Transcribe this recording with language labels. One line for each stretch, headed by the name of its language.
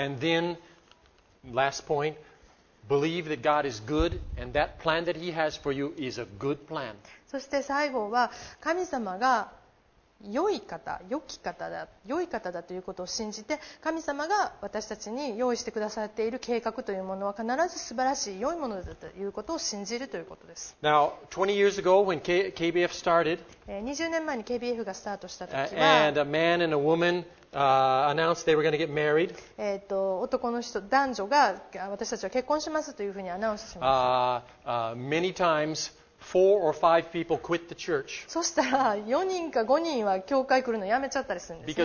English: And then last point. Believe that God is good, and that plan that He has for you is a good plan.
Japanese: そして最後は神様が良い方、良き方だ、良い方だということを信じて、神様が私たちに用意してくださっている計画というものは必ず素晴らしい良いものだということを信じるということです。
English: Now, 20 years ago when KBF started,
Japanese: 20年前に KBF がスタートした時は、
English: and a man and a woman. Announced they were going to get married.
Japanese: 男の人、男女が私たちは結婚しますというふうにアナウンスしました。
English: Many times, four or five people quit the church.
Japanese: そしたら、4人か5人は教会来るのやめちゃったりするんですね。